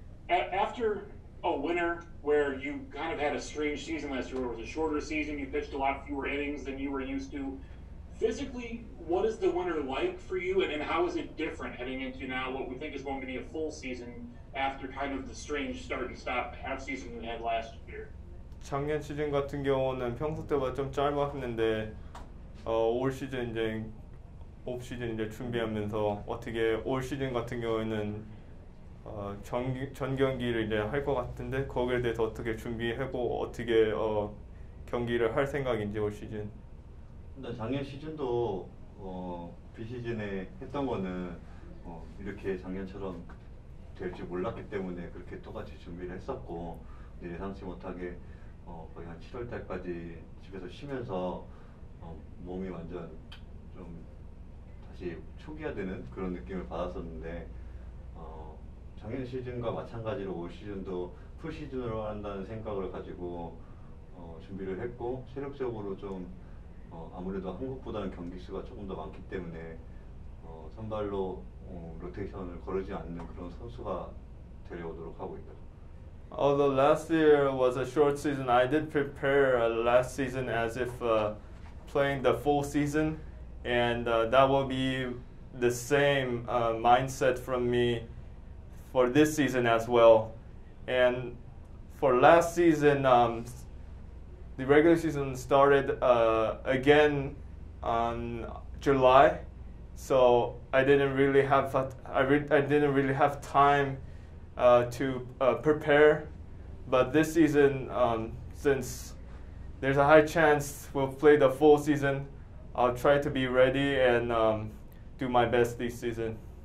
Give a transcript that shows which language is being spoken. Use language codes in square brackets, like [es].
[en] After a winter where you kind of had a strange season last year, where it was a shorter season, you pitched a lot fewer innings than you were used to. Physically, what is the winter like for you, and how is it different heading into now what we think is going to be a full season after kind of the strange start and stop half season we had last year? [ko] 작년 시즌 같은 경우는 평소 때보다 좀 짧았는데 올 시즌 이제 옵 시즌 이제 준비하면서 어떻게 올 시즌 같은 경우에는 전 경기를 이제 할 것 같은데 거기에 대해서 어떻게 준비하고 어떻게 경기를 할 생각인지 올 시즌. 근데 작년 시즌도 비시즌에 했던 거는 이렇게 작년처럼 될지 몰랐기 때문에 그렇게 똑같이 준비를 했었고 예상치 못하게 거의 한 7월 달까지 집에서 쉬면서 몸이 완전 좀 다시 초기화되는 그런 느낌을 받았었는데 작년 시즌과 마찬가지로 올 시즌도 풀 시즌으로 한다는 생각을 가지고 준비를 했고 체력적으로 좀 아무래도 한국보다는 경기 수가 조금 더 많기 때문에 선발로 로테이션을 거르지 않는 그런 선수가 되려고 하고 있다. [en] Although last year was a short season, I did prepare last season as if playing the full season, and that will be the same mindset from me for this season as well. And for last season, the regular season started again on July, so I didn't really have time prepare, but this season, since there's a high chance we'll play the full season, I'll try to be ready and do my best this season.